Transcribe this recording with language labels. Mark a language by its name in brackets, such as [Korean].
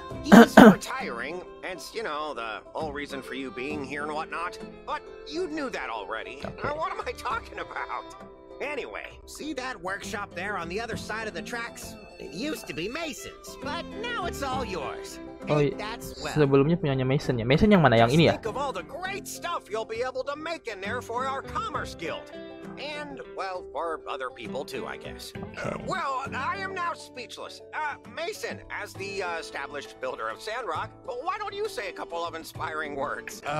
[English] He's retiring, and you know the whole reason for you being here and whatnot. But you knew that already. Okay. What am I talking about? Anyway, see that workshop there on the other side of the tracks? It used to be Mason's, but now it's all yours. [Indonesian] Oh, sebelumnya punyanya Mason ya. Mason yang mana? Yang ini ya? [English] Think of all the great stuff you'll be able to make in there for our Commerce Guild. And, well, for other people too, I guess. Well, I am now speechless. Mason, as the established builder of Sandrock, why don't you say a couple of inspiring words?